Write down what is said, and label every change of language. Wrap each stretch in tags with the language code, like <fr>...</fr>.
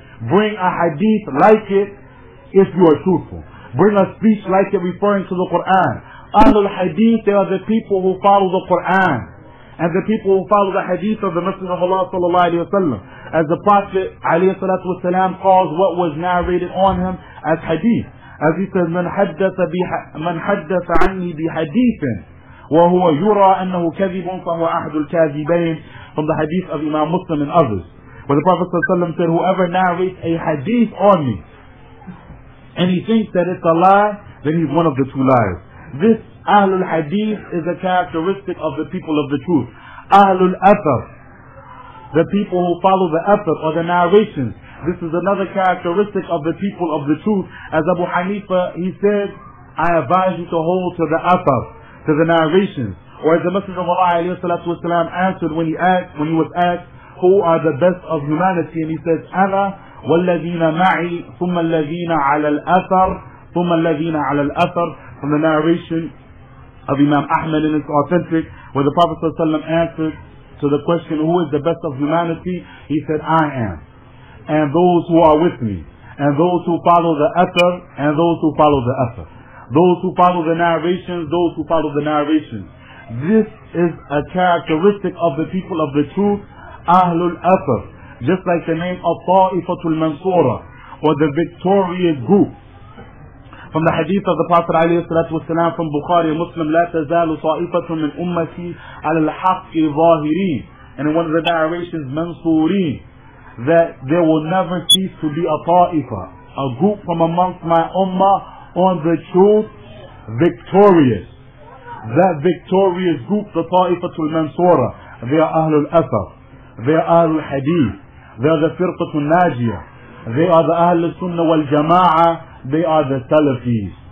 <en>Bring a hadith like it if you are truthful. Bring a speech like it referring to the Quran. Under the hadith, they are the people who follow the Quran and the people who follow the hadith of the Messenger of Allah sallallahu alayhi wa sallam. As the Prophet alayhi salatu wa sallam calls what was narrated on him as hadith. As he says,</en> <ar>مَنْ حَدَّثَ عَنِّي بِحَدِيثٍ وَهُوَ يُرَى أَنَّهُ كَذِبٌ فَهُوَ أَحْدُ الْكَاذِبَيْنِ.</ar> <en>From the hadith of Imam Muslim and others, where the Prophet sallallahu alayhi wa sallam said, whoever narrates a hadith on me and he thinks that it's a lie, then he's one of the two liars. This Ahlul Hadith is a characteristic of the people of the truth. Ahlul Athar, the people who follow the Athar or the narrations, this is another characteristic of the people of the truth. As Abu Hanifa, he said, I advise you to hold to the Athar, to the narrations. Or as the Messenger of Allah عليه الصلاة والسلام answered when he was asked, who are the best of humanity? And he says,</en> <ar>أَنَا وَالَّذِينَ مَعِي ثُمَّ الَّذِينَ عَلَى الْأَثَرِ ثُمَّ الَّذِينَ عَلَى الْأَثَرِ.</ar> <en>From the narration of Imam Ahmad, and it's authentic, where the Prophet ﷺ answered to the question, who is the best of humanity? He said, I am, and those who are with me, and those who follow the Athar, and those who follow the Athar, those who follow the narrations, those who follow the narrations. This is a characteristic of the people of the truth, Ahlul Athar. Just like the name of Ta'ifatul Mansura, or the victorious group, From the hadith of the Prophet عليه الصلاة والسلام from Bukhari Muslim,</en> <ar>لا تزال طائفة من أمتي على الحق ظاهرين.</ar> <en>And in one of the narrations, منصورين, that there will never cease to be a ta'ifa, a group from amongst my ummah on the truth, victorious. That victorious group, the ta'ifatul mansura, they are ahlul athar, they are ahlul hadith, they are the firqatul najiyah, they are the ahl sunnah wal jama'ah, they are the salafis.</en>